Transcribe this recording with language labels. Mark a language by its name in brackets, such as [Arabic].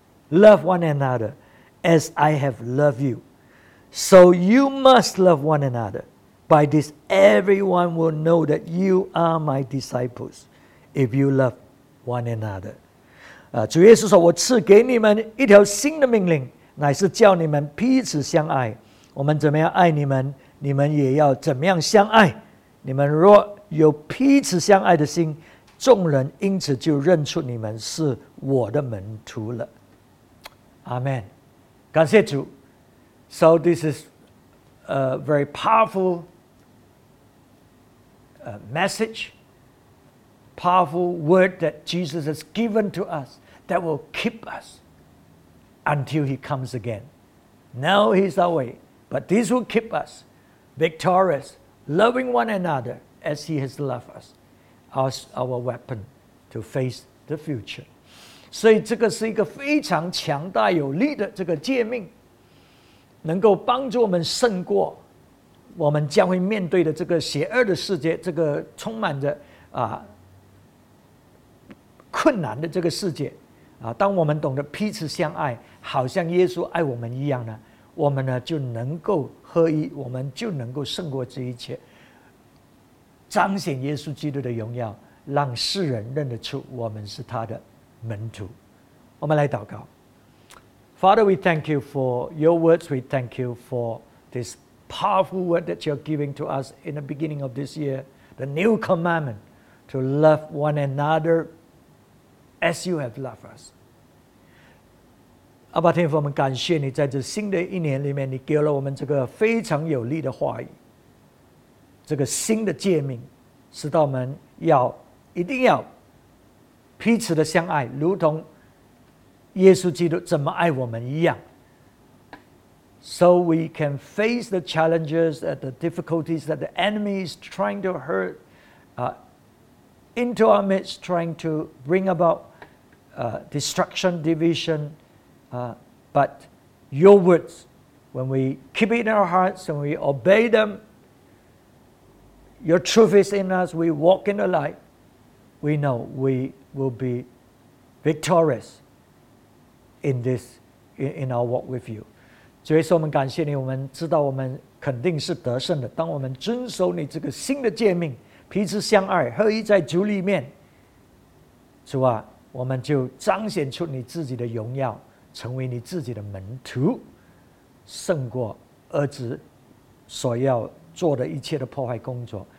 [English] Love one another as I have loved you. So you must love one another. By this, everyone will know that you are my disciples, if you love one another. [Chinese] 主耶稣说，我赐给你们一条新的命令，乃是叫你们彼此相爱。我们怎么样爱你们，你们也要怎么样相爱。你们若有彼此相爱的心，众人因此就认出你们是我的门徒了。阿们。感谢主。 [English] So this is a very powerful message, powerful word that Jesus has given to us that will keep us until he comes again. Now he's away, but this will keep us victorious, loving one another as he has loved us, as our weapon to face the future. [Chinese] 所以这个是一个非常强大有力的这个诫命，能够帮助我们胜过我们将会面对的这个邪恶的世界，这个充满着困难的这个世界当我们懂得彼此相爱，好像耶稣爱我们一样呢，我们呢就能够合一，我们就能够胜过这一切，彰显耶稣基督的荣耀，让世人认得出我们是他的门徒。我们来祷告。 [English] Father, we thank you for your words. We thank you for this powerful word that you're giving to us in the beginning of this year, the new commandment to love one another as you have loved us. [Chinese] 阿爸天父，我们感谢你在这新的一年里面，你给了我们这个非常有力的话语，这个新的诫命，使到我们要一定要彼此的相爱，如同耶稣基督怎么爱我们一样。 [English] So we can face the challenges and the difficulties that the enemy is trying to hurt into our midst, trying to bring about destruction, division. But your words, when we keep it in our hearts and we obey them, your truth is in us, we walk in the light, we know we will be victorious in this, in our walk with you. [Chinese] 主耶稣，我们感谢你，我们知道我们肯定是得胜的。当我们遵守你这个新的诫命，彼此相爱，合一在主里面，主啊，我们就彰显出你自己的荣耀，成为你自己的门徒，胜过恶者所要做的一切的破坏工作。